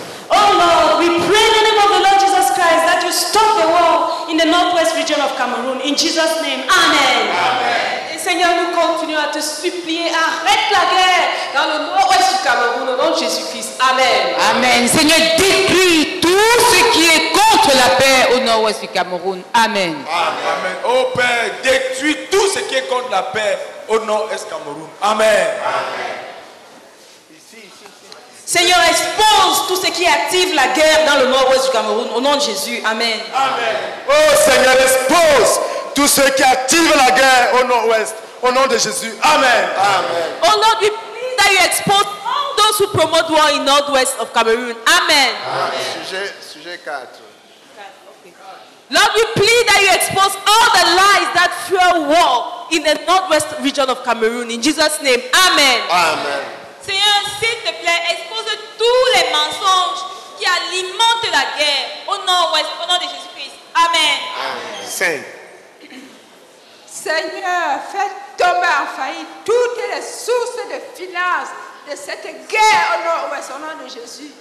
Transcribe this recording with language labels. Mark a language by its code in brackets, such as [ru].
[en] Oh Lord, we pray in the name of the Lord Jesus Christ that you stop the war in the northwest region of Cameroon. In Jesus' name, amen. Amen. [fr] Et Seigneur, nous continuons à te supplier, arrête la guerre dans le nord-ouest du Cameroun au nom de Jésus-Christ. Amen. Amen. Seigneur, détruis tout ce qui est contre la paix au nord-ouest du Cameroun. Amen. Amen. Amen. Oh Père, détruis tout ce qui est contre la paix au nord-est Cameroun. Amen. Amen. Seigneur, expose tout ce qui active la guerre dans le nord-ouest du Cameroun. Au nom de Jésus, amen. Amen. Oh Seigneur, expose tout ce qui active la guerre au nord-ouest. Au nom de Jésus, amen. Amen. [en] Oh Lord, we pray that you expose all those who promote war in the northwest of Cameroon. Amen. Amen. [fr] Sujet 4. [en] Lord, we plead that you expose all the lies that fuel war in the northwest region of Cameroon. In Jesus' name, amen. Amen. [fr] Seigneur, s'il te plaît, expose tous les mensonges qui alimentent la guerre au nord-ouest, au nom de Jésus-Christ. Amen. Amen. Seigneur, fais tomber en faillite toutes les sources de finances de cette guerre au nord-ouest, au nom de Jésus.